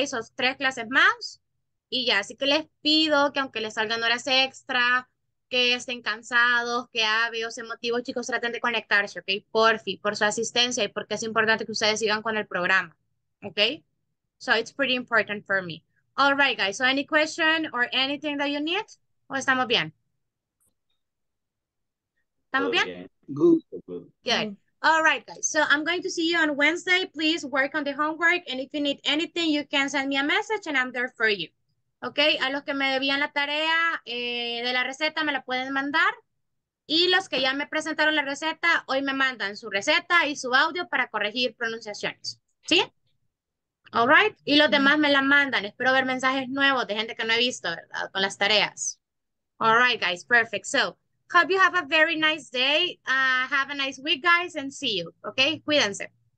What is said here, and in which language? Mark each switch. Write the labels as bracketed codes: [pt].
[es] Son 3 clases más, y ya, así que les pido que aunque les salgan horas extra, que estén cansados, que ávidos, emotivos, chicos, traten de conectarse, ¿ok? Porfi, por su asistencia, y porque es importante que ustedes sigan con el programa, ¿ok? [en] So it's pretty important for me. All right, guys, so any question or anything that you need? [es] ¿O estamos bien? ¿Estamos bien? [en] Good. All right, guys, so I'm going to see you on Wednesday. Please work on the homework, and if you need anything, you can send me a message, and I'm there for you. [es] Okay, a los que me debían la tarea de la receta, me la pueden mandar. Y los que ya me presentaron la receta, hoy me mandan su receta y su audio para corregir pronunciaciones. ¿Sí? All right. Y los demás me la mandan. Espero ver mensajes nuevos de gente que no he visto, ¿verdad? Con las tareas. [en] All right, guys. Perfect. So, hope you have a very nice day. Have a nice week, guys, and see you. Okay? Cuídense.